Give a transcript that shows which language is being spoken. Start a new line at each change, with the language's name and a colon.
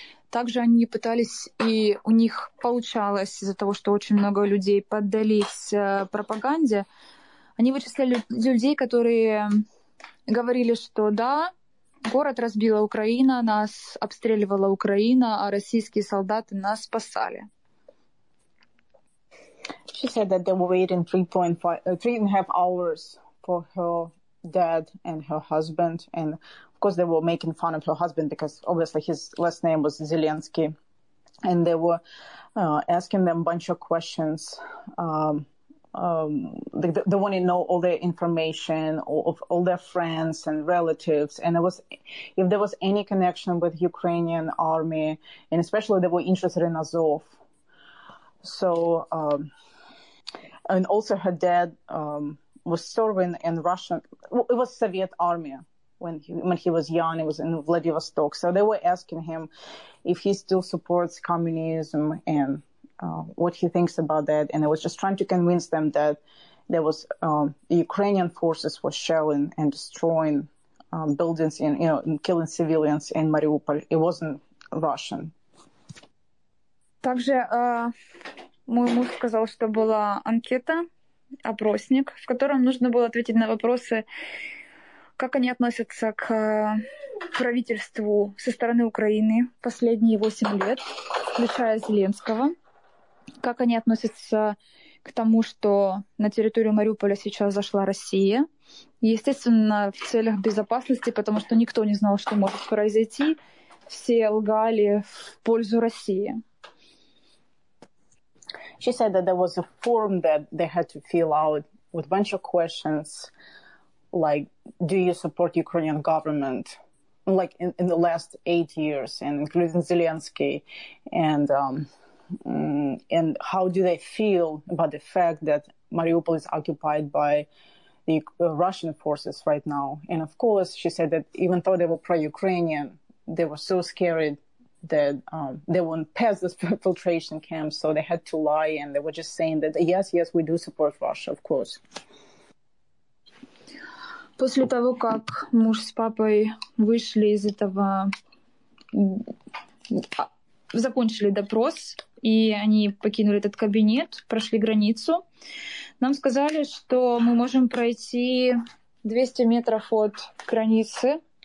Russian: Также они пытались, и у них получалось из-за того, что очень много людей поддались пропаганде, они вычисляли людей, которые говорили, что да, город разбила Украина, нас обстреливала Украина, а российские солдаты нас спасали.
English: She said that they were waiting 3.5 hours for her dad and her husband, and of course they were making fun of her husband because obviously his last name was Zelensky, and they were asking them a bunch of questions. They want to know all their information of all their friends and relatives, and there was, if there was any connection with Ukrainian army, and especially they were interested in Azov. So, and also her dad was serving in Russian. It was Soviet army when he was young. It was in Vladivostok. So they were asking him if he still supports communism and. What he thinks about that, and I was just trying to convince them that there was Ukrainian forces were shelling and destroying buildings and, you know, and killing civilians in Mariupol. It wasn't Russian.
Russian: Также мой муж сказал, что была анкета, опросник, в котором нужно было ответить на вопросы, как они относятся к правительству со стороны Украины последние 8 лет, включая Зеленского. Как они относятся к тому, что на территорию Мариуполя сейчас зашла Россия? Естественно, в целях безопасности, потому что никто не знал, что может произойти. Все лгали в пользу России.
English: She said that there was a form that they had to fill out with a bunch of questions, like, do you support Ukrainian government? Like, in the last 8 years, and including Zelensky, and... and how do they feel about the fact that Mariupol is occupied by the Russian forces right now? And of course, she said that even though they were pro-Ukrainian, they were so scared that they wouldn't pass the filtration camps, so they had to lie, and they were just saying that, yes, yes, we do support Russia, of course.
Russian: После того, как муж с папой вышли из этого, закончили допрос, и они покинули этот кабинет, прошли границу, нам сказали, что мы можем пройти 200 метров от границы,